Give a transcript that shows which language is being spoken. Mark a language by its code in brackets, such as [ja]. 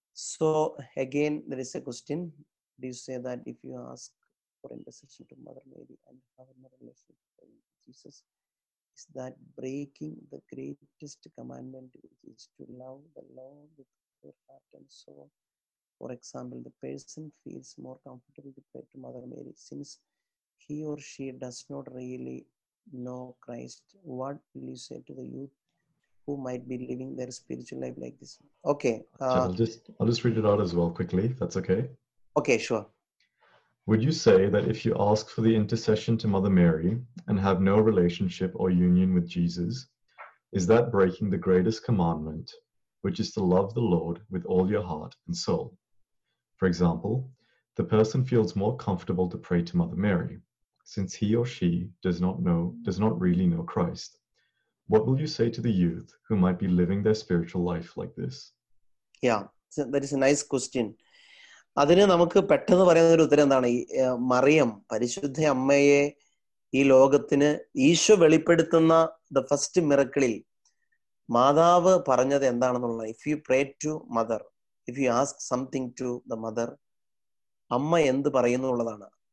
[en] So again there is a question, do you say that if you ask for intercession to Mother Mary and how in relationship with Jesus, is that breaking the greatest commandment, which is to love the Lord with your heart and soul? For example, the person feels more comfortable to pray to Mother Mary since he or she does not really know Christ. What will you say to the youth who might be living their spiritual life like this? Okay. I'll just read it out as well quickly, if that's okay. Okay, sure. Would you say that if you ask for the intercession to Mother Mary and have no relationship or union with Jesus, is that breaking the greatest commandment, which is to love the Lord with all your heart and soul? For example, the person feels more comfortable to pray to Mother Mary since he or she does not really know Christ. What will you say to the youth who might be living their spiritual life like this? Yeah, so that is a nice question. [ml] അതിന് നമുക്ക് പെട്ടെന്ന് പറയുന്ന ഒരു ഉത്തരം എന്താണ്, മറിയം പരിശുദ്ധ അമ്മയെ ഈ ലോകത്തിന് ഈശോ വെളിപ്പെടുത്തുന്ന ദ ഫസ്റ്റ് മിറക്കിളിൽ മാതാവ് പറഞ്ഞത് എന്താണെന്നുള്ളത്. [en] if you pray to mother, if you ask something to the mother, [ml] അമ്മ എന്ത് പറയുന്നു എന്നുള്ളതാണ്.